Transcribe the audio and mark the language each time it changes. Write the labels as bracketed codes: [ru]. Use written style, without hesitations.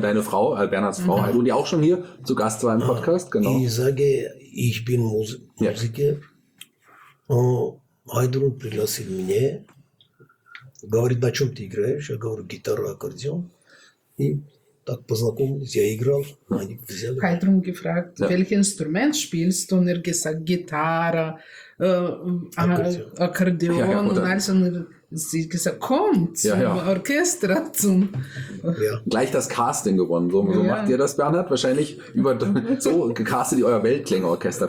[de] Deine Frau, Bernhards Frau Хайдрун, die auch schon hier zu Gast war im Podcast. Genau. Ich sage, ich bin Musiker. [ru] Хайдрун пригласил меня. Говорит, на чем ты играешь? Я говорю, гитара, аккордеон. И так познакомились, я играл. [de] Хайтрум gefragt, ja. Welches Instrument spielst du? Und er gesagt, Gitarre, Akkordeon. Ja, und also, sie gesagt, komm zum Orchester. Zum Gleich das Casting gewonnen. So, so macht ihr das, Bernhard? Wahrscheinlich über so gecastet ihr euer Weltklänge-Orchester.